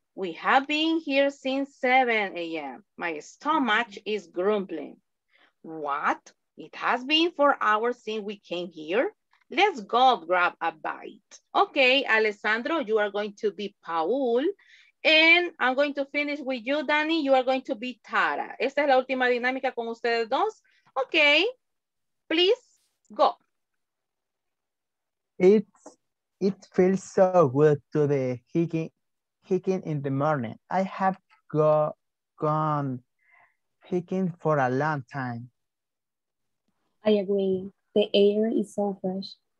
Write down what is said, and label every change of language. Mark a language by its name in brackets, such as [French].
[English] We have been here since 7 a.m. My stomach is grumbling. What? It has been 4 hours since we came here? Let's go grab a bite. Okay, Alessandro, you are going to be Paul. And I'm going to finish with you, Danny. You are going to be Tara. [Spanish] Esta es la última dinámica con ustedes dos. [English] Okay, please go. It feels so good to the hiking in the morning. I have gone hiking for a long time. I agree. The air is so fresh.